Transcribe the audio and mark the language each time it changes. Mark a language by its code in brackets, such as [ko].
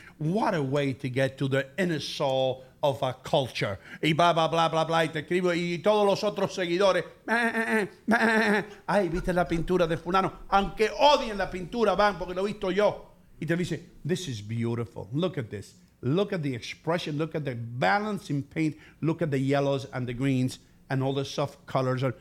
[en] What a way to get to the inner soul of a culture. [es] Y bla, bla, bla, bla, bla, y te escribo. Y todos los otros seguidores, ay, ¿viste la pintura de fulano? Aunque odien la pintura, van, porque lo he visto yo. Y te dice, [en] this is beautiful, look at this. Look at the expression, look at the balance in paint, look at the yellows and the greens and all the soft colors.